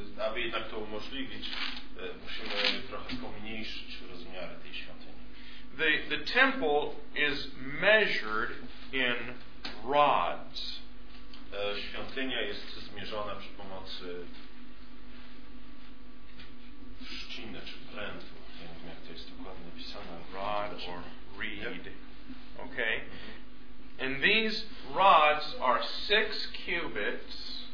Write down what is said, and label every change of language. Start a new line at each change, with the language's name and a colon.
Polish: Aby jednak to umożliwić, musimy trochę pomniejszyć rozmiary tej świątyni.
English: The temple is measured in rods.
Polish: Świątynia jest zmierzona przy pomocy szczyny czy prętu. Nie wiem, jak to jest dokładnie napisane.
English: Rod or reed. Yep. Okay. Mm-hmm. And these rods are 6 cubits.